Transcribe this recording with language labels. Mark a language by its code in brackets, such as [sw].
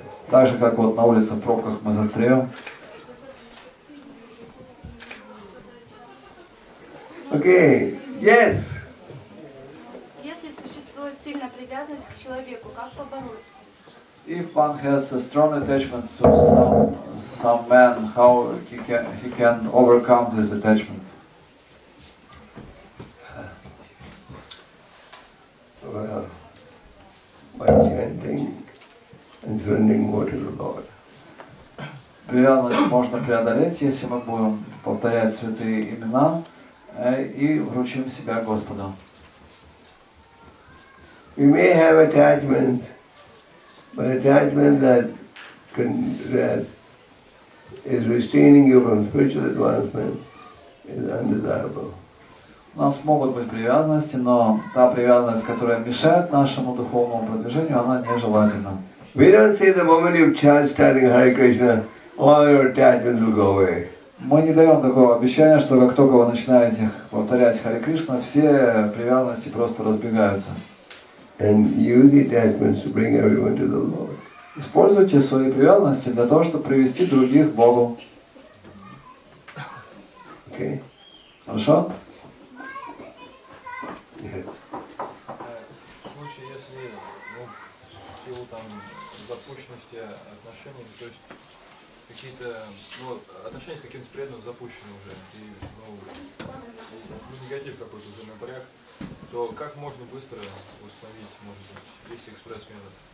[ru] Так же, как вот на улице в пробках мы застрял. Окей, yes. Если существует сильная привязанность к человеку, как побороть? [en] If one has a strong attachment to some man, how he can overcome this attachment? Well, by chanting and surrendering more to the Lord. [ru] Привязанность можно преодолеть, если мы будем повторять святые имена и вручим себя Господу. [en] We may have attachments. But attachment that is restraining you from spiritual advancement is undesirable. [ru] У нас могут быть привязанности, но та привязанность, которая мешает нашему духовному продвижению, она нежелательна. [en] We don't say the moment you chant starting Hare Krishna, all your attachments will go away. [ru] Мы не даем такого обещания, что как только вы начинаете повторять Hare Krishna, все привязанности просто разбегаются. [en] And use the attachments to bring everyone to the Lord. [ru] Используйте свои привязанности для того, чтобы привести других к Богу. [en] Okay. [ru] Хорошо? Нет. В случае, если в силу запущенности отношений, то есть какие-то отношения с каким-то преданным запущены уже, и негатив какой-то уже напряг, то как можно быстро установить, может быть, есть экспресс-метод?